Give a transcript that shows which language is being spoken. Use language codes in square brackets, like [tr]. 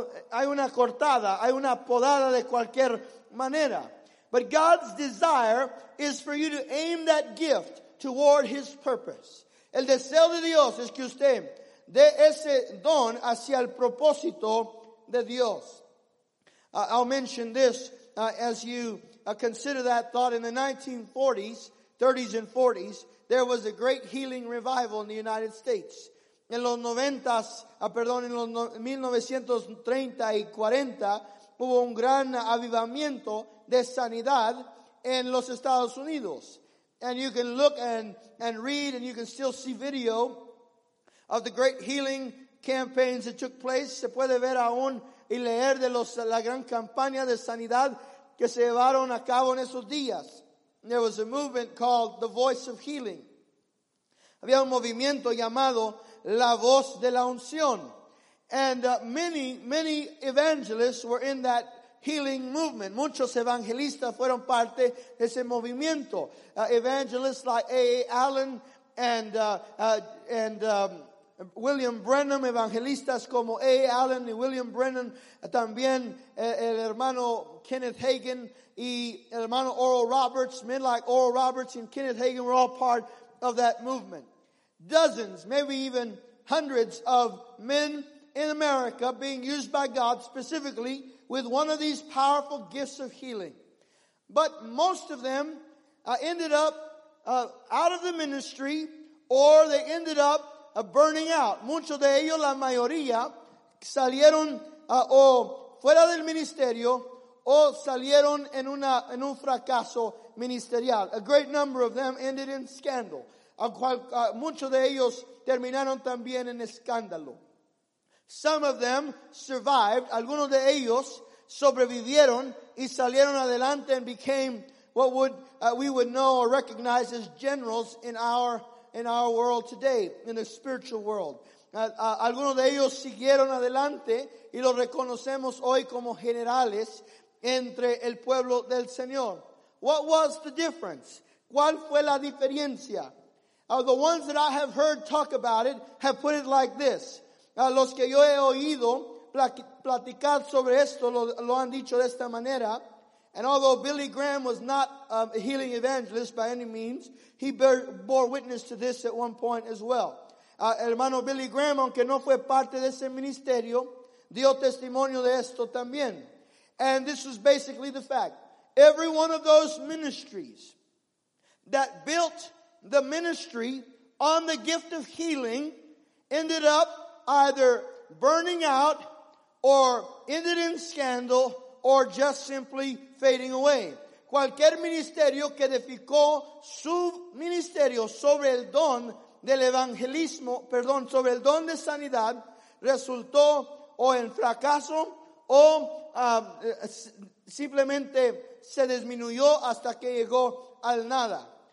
[es] Hay una cortada, hay una podada de cualquier manera. [en] But God's desire is for you to aim that gift toward His purpose. [es] El deseo de Dios es que usted dé ese don hacia el propósito de Dios. [en] I'll mention this as you consider that thought. In the 1940s, 30s and 40s, there was a great healing revival in the United States. [es] En los 1930 y 40, hubo un gran avivamiento de sanidad en los Estados Unidos. [en] And you can look and read, and you can still see video of the great healing campaigns that took place. [es] Se puede ver aún y leer de la gran campaña de sanidad que se llevaron a cabo en esos días. [en] There was a movement called the Voice of Healing. [es] Había un movimiento llamado La Voz de la Unción. [en] And many, many evangelists were in that healing movement. [es] Muchos evangelistas fueron parte de ese movimiento. [en] Evangelists like A.A. Allen [es] William Branham, evangelistas como A. Allen y William Branham, también el hermano Kenneth Hagin y el hermano Oral Roberts, [en] men like Oral Roberts and Kenneth Hagin were all part of that movement. Dozens, maybe even hundreds of men in America being used by God specifically with one of these powerful gifts of healing. But most of them ended up out of the ministry, or they ended up burning out. [es] Muchos de ellos, la mayoría, salieron o fuera del ministerio o salieron en un fracaso ministerial. [en] A great number of them ended in scandal. [es] Muchos de ellos terminaron también en escándalo. [en] Some of them survived. [es] Algunos de ellos sobrevivieron y salieron adelante [en] and became what would we would know or recognize as generals in our world today, in the spiritual world. [es] Algunos de ellos siguieron adelante y los reconocemos hoy como generales entre el pueblo del Señor. [en] What was the difference? [es] ¿Cuál fue la diferencia? [en] The ones that I have heard talk about it have put it like this. [es] Los que yo he oído platicar sobre esto lo han dicho de esta manera. [en] And although Billy Graham was not a healing evangelist by any means, he bore witness to this at one point as well. [es] Hermano Billy Graham, aunque no fue parte de ese ministerio, dio testimonio de esto también. [en] And this was basically the fact. Every one of those ministries that built the ministry on the gift of healing ended up either burning out or ended in scandal or just simply fading away. [es] Cualquier ministerio que edificó su ministerio sobre el don del evangelismo, perdón, sobre el don de sanidad, resultó o en fracaso o simplemente se disminuyó hasta que llegó al nada.